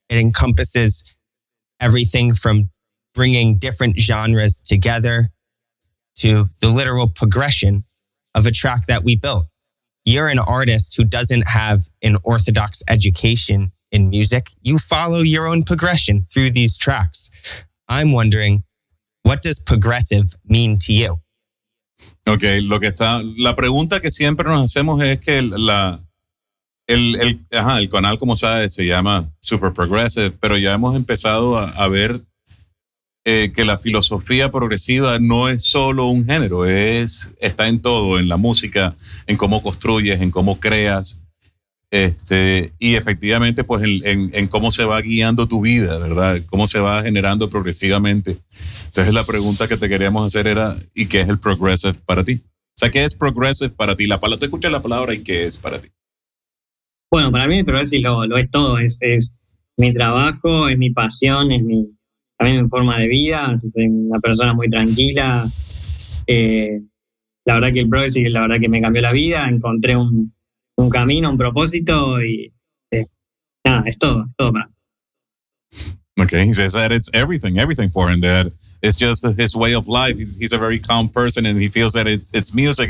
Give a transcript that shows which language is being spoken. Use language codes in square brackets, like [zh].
[en] It encompasses everything from bringing different genres together to the literal progression of a track that we built. You're an artist who doesn't have an orthodox education in music. You follow your own progression through these tracks. I'm wondering, what does progressive mean to you? [es] Okay, la pregunta que siempre nos hacemos es que el canal, como sabes, se llama Super Progressive, pero ya hemos empezado a ver que la filosofía progresiva no es solo un género, está en todo, en la música, en cómo construyes, en cómo creas, y efectivamente pues en cómo se va guiando tu vida, ¿verdad? Cómo se va generando progresivamente. Entonces la pregunta que te queríamos hacer era, ¿y qué es el progressive para ti? O sea, ¿qué es progressive para ti? Tú escuchas la palabra, ¿y qué es para ti? Bueno, para mí el progressive lo es todo. Es mi trabajo, es mi pasión, es también mi forma de vida. Soy una persona muy tranquila. La verdad que el progressive, la verdad que me cambió la vida. Encontré un camino, un propósito y nada, es todo para mí. [en] Okay, he says that it's everything for him. That it's just his way of life. He's a very calm person and he feels that it's music.